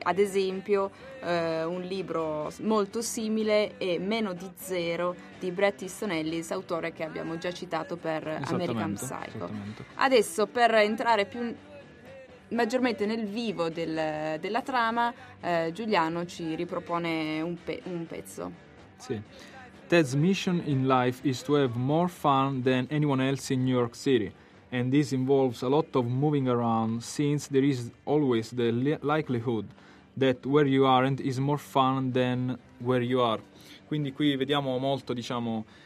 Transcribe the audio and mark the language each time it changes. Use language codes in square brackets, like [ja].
[it] Ad esempio, un libro molto simile è Meno di Zero di Bret Easton Ellis, autore che abbiamo già citato per American Psycho. Adesso, per entrare più maggiormente nel vivo della trama, Giuliano ci ripropone un pezzo. Sì. [en] Ted's mission in life is to have more fun than anyone else in New York City. And this involves a lot of moving around, since there is always the likelihood that where you aren't is more fun than where you are. [it] Quindi qui vediamo molto, diciamo,